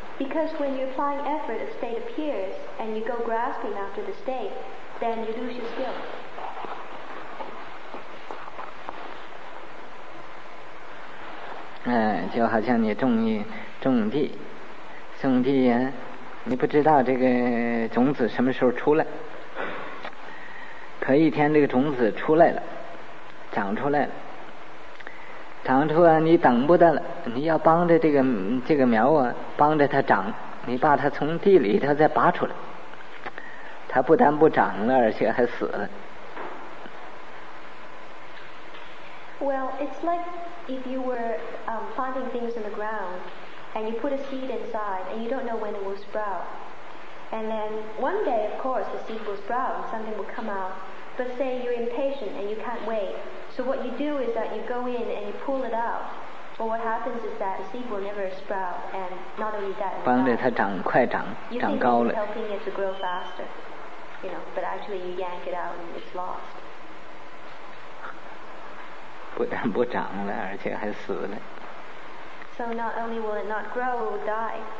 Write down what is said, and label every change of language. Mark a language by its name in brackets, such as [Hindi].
[English] Because when you're applying effort, a state appears, and you go grasping after the state, then you lose your skill. [Chinese] 就好像你种地，种地呀，你不知道这个种子什么时候出来。可一天这个种子出来了，长出来，你等不得了，你要帮着这个苗啊，帮着它长，你把它从地里头再拔出来，它不但不长了，而且还死了。 [English] Well, it's like if you were planting things in the ground and you put a seed inside and you don't know when it will sprout. And then one day, of course, the seed will sprout and something will come out. But say you're impatient and you can't wait. So what you do is that you go in and you pull it out. But what happens is that the seed will never sprout. And not only that, it's not. [Chinese] 帮着它长快长高了。 [English] You think it's helping it to grow faster. You know, but actually you yank it out and it's lost. [Chinese] 不但不长了，而且还死了。 [English] So not only will it not grow, it will die.